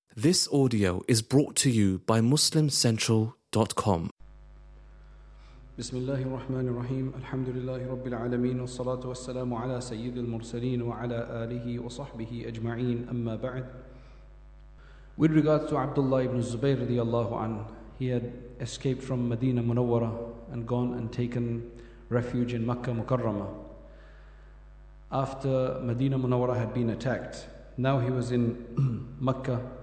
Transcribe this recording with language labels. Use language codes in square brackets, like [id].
[en] This audio is brought to you by MuslimCentral.com. [ar] بسم الله الرحمن الرحيم الحمد لله رب العالمين والصلاة والسلام على سيد المرسلين وعلى آله وصحبه أجمعين أما بعد. [en] With regards to Abdullah ibn Zubayr [ar] رضي الله عنه, [en] he had escaped from Medina Munawwara and gone and taken refuge in Makkah Mukarramah. After Medina Munawwara had been attacked, now he was in Makkah.